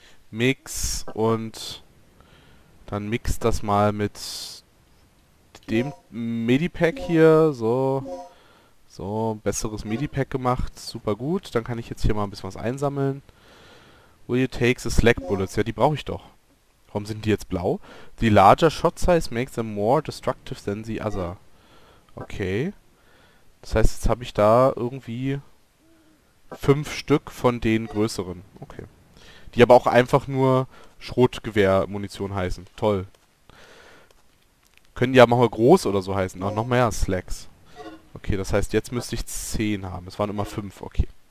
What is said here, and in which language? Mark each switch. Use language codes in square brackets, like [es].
[de] Mix und dann mixt das mal mit dem Medipack hier. So, So, besseres Medipack gemacht. Super gut. Dann kann ich jetzt hier mal ein bisschen was einsammeln. [en] Will you take the slack bullets? [de] Ja, die brauche ich doch. Warum sind die jetzt blau? [en] The larger shot size makes them more destructive than the other. [de] Okay. Das heißt, jetzt habe ich da irgendwie 5 Stück von den größeren. Okay. Die aber auch einfach nur Schrotgewehr-Munition heißen. Toll. Können die ja mal groß oder so heißen. Auch noch mehr Slacks. Okay, das heißt, jetzt müsste ich 10 haben. Es waren immer 5. Okay.